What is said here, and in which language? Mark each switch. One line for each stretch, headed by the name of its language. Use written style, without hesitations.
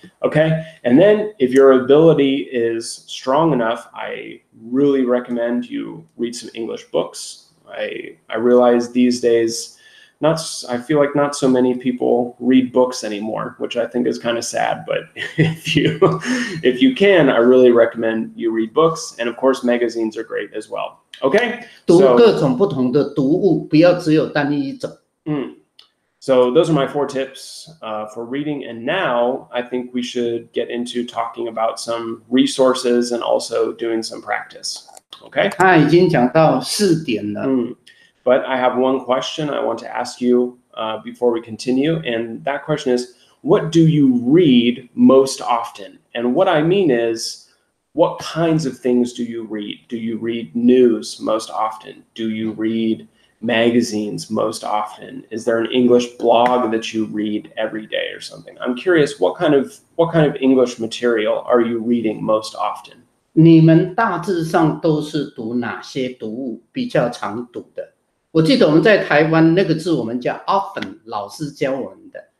English: Okay, and then if your ability is strong enough, I really recommend you read some English books. I realize these days, I feel like not so many people read books anymore, which I think is kind of sad. But if you can, I really recommend you read books. And of course, magazines are great as well. Okay?
Chinese: 读各种不同的读物，不要只有单一一种。
English: So those are my 4 tips for reading. And now I think we should get into talking about some resources and also doing some practice. Okay?
Chinese: 他已经讲到4点了。
English: But I have one question I want to ask you before we continue. And that question is, what do you read most often? And what I mean is, what kinds of things do you read? Do you read news most often? Do you read magazines most often? Is there an English blog that you read every day or something? I'm curious, what kind of English material are you reading most often?
Chinese: 你们大致上都是读哪些读物比较常读的？我记得我们在台湾那个字我们叫 often， 老师教我们的。